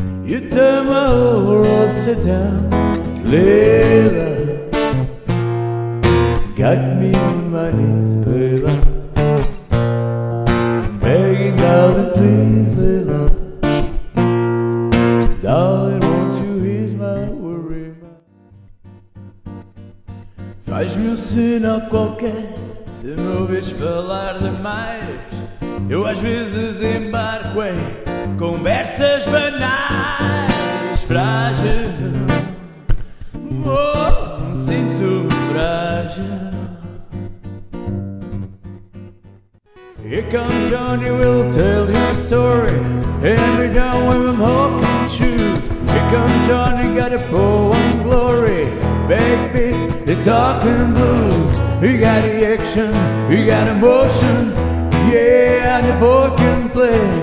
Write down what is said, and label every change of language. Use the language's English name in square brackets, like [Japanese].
[English] You turned my whole world upside down. Layla, got me on my knees, Layla. Begging, darling, please, Layla. Darling, won't you ease my worry? [Portuguese] Faz-me sinal qualquer, se me ouvires falar demais. Eu às vezes embarco em conversas banais. Frágil, oh, sinto-me frágil. [English] Here comes Johnny, we'll tell you a story. Every now and then, hope can choose. Here comes Johnny, got a poem glory. Baby, the talking blues. You got the action, you got emotion. Yeah, the boy can play.